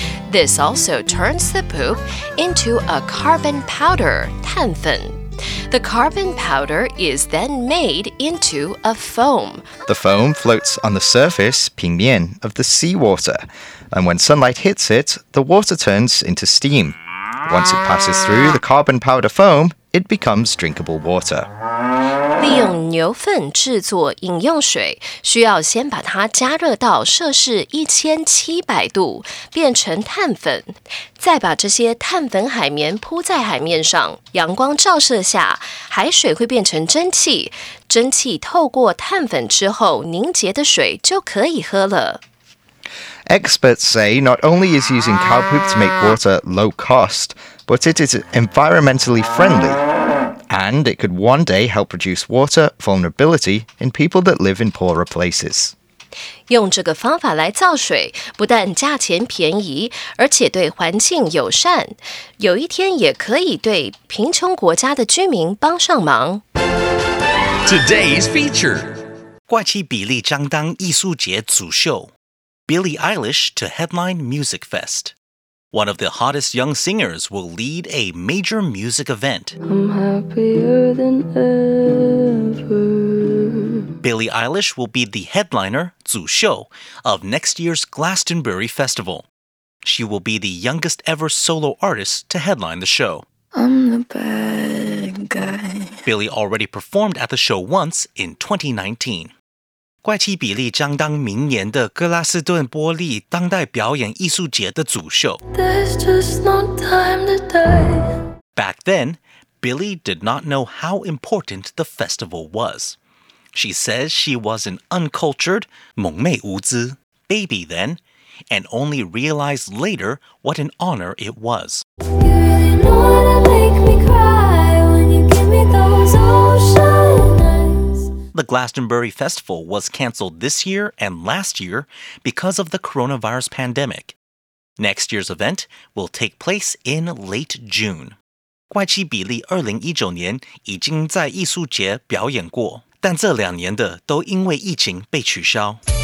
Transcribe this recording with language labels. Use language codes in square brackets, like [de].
[en] This also turns the poop into a carbon powder, 碳粉. The carbon powder is then made into a foam. The foam floats on the surface, 平面, of the seawater. And when sunlight hits it, the water turns into steam. Once it passes through the carbon powder foam,It becomes drinkable water. [zh] 利用牛粪制作饮用水，需要先把它加热到摄氏1700度，变成碳粉，再把这些碳粉海绵铺在海面上。阳光照射下，海水会变成蒸汽，蒸汽透过碳粉之后凝结的水就可以喝了。 [en] Experts say not only is using cow poop to make water low cost, but it is environmentally friendly. And it could one day help reduce water vulnerability in people that live in poorer places. [zh] 用这个方法来造水，不但价钱便宜，而且对环境友善，有一天也可以对贫穷国家的居民帮上忙。 [en] Today's feature. [zh] 怪奇比利张当艺术节主秀。 [en] Billie Eilish to headline Music Fest. One of the hottest young singers will lead a major music event. I'm happier than ever. Billie Eilish will be the headliner, 主秀, of next year's Glastonbury Festival. She will be the youngest ever solo artist to headline the show. I'm the bad guy. Billie already performed at the show once in 2019. [zh] 怪奇比利将当明年的格拉斯顿波利当代表演艺术节的主秀。 [en] There's just no time to die. Back then, Billie did not know how important the festival was. She says she was an uncultured, [zh] 蒙昧无知, [en] baby then, and only realized later what an honor it was. You really wanna make me cry when you give me those oceans. The Glastonbury Festival was cancelled this year and last year because of the coronavirus pandemic. Next year's event will take place in late June. [zh] 怪奇比利2019年已经在艺术节表演过，但这两年的都因为疫情被取消。